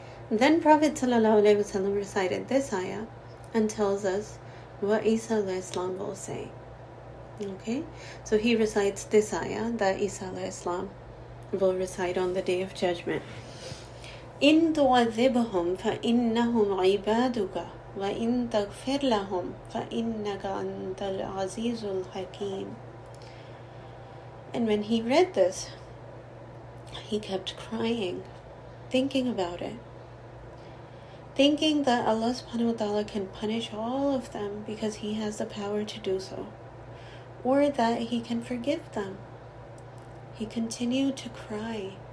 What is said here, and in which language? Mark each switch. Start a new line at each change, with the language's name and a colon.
English: Then Prophet sallallahu alaihi wasallam recited this ayah and tells us what Isa alayhi salam will say. Okay, so he recites this ayah that Isa alayhi salam will recite on the day of judgment.
Arabic: إن تعذبهم فإنهم عبادك وإن تغفر لهم فإنك أنت العزيز الحكيم.
English: And when he read this, he kept crying, thinking about it. Thinking that Allah subhanahu wa ta'ala can punish all of them because he has the power to do so. Or that he can forgive them. He continued to cry.